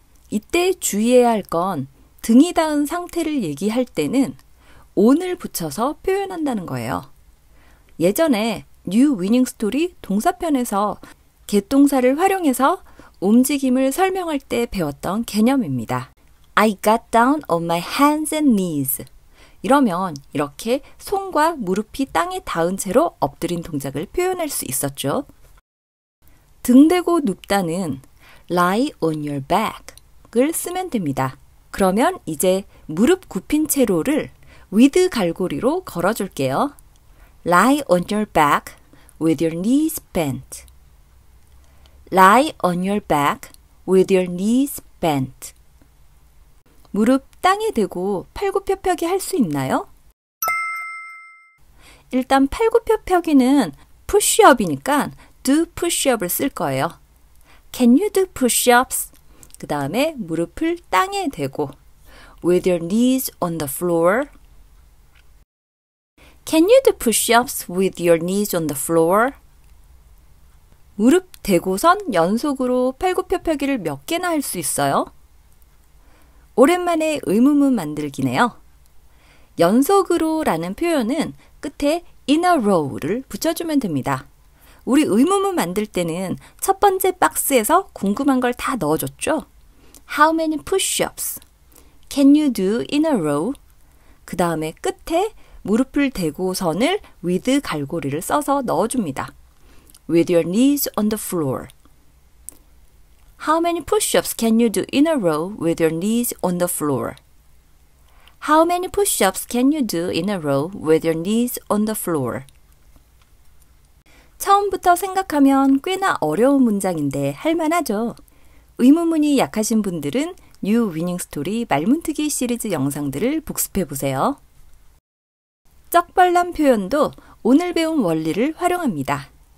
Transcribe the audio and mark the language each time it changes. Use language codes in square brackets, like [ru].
[ko] 이때 주의해야 할 건, 등이 닿은 상태를 얘기할 때는 on을 붙여서 표현한다는 거예요. 예전에 뉴 위닝 스토리 동사편에서 get동사를 활용해서 움직임을 설명할 때 배웠던 개념입니다. [en] I got down on my hands and knees. [ko] 이러면 이렇게 손과 무릎이 땅에 닿은 채로 엎드린 동작을 표현할 수 있었죠. 등 대고 눕다는 [en] lie on your back [ko] 을 쓰면 됩니다. 그러면 이제 무릎 굽힌 채로를 with 갈고리로 걸어줄게요. [en] Lie on your back with your knees bent. Lie on your back with your knees bent. [ko] 무릎 땅에 대고 팔굽혀펴기 할 수 있나요? 일단 팔굽혀펴기는 push-up이니까 [en] do push-up [ko] 을 쓸 거예요. [en] Can you do push-ups? [ko] 그 다음에 무릎을 땅에 대고 [en] with your knees on the floor. Can you do push-ups with your knees on the floor? [ko] 무릎 대고선 연속으로 팔굽혀펴기를 몇 개나 할 수 있어요? 오랜만에 의문문 만들기네요. 연속으로라는 표현은 끝에 [en] in a row [ko] 를 붙여주면 됩니다. 우리 의문문 만들 때는 첫 번째 박스에서 궁금한 걸 다 넣어줬죠? [en] How many push-ups? Can you do in a row? [ko] 그 다음에 끝에 무릎을 대고 선을 with 갈고리를 써서 넣어줍니다. [en] With your knees on the floor. How many push-ups can you do in a row with your knees on the floor? How many push-ups can you do in a row with your knees on the floor? [ko] 처음부터 생각하면 꽤나 어려운 문장인데 할 만하죠? 의문문이 약하신 분들은 New Winning Story 말문트기 시리즈 영상들을 복습해 보세요. 쩍벌남 표현도 오늘 배운 원리를 활용합니다.